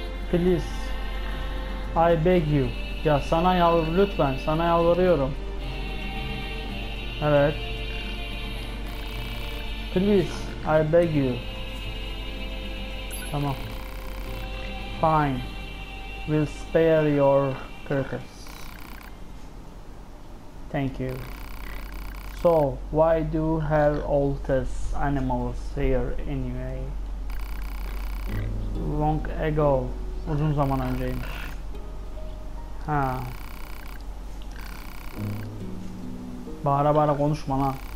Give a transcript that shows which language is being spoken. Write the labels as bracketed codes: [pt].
[en] Please, I beg you. [tr] Ya sana yalvar, lütfen, sana yalvarıyorum. Evet. [en] Please, I beg you. Tamam. Fine. will spare your carcass. Thank you. So, why do you have all these animals here anyway? Long ago, [tr] uzun zaman önceymiş. Ha. Bağıra bağıra konuşma lan.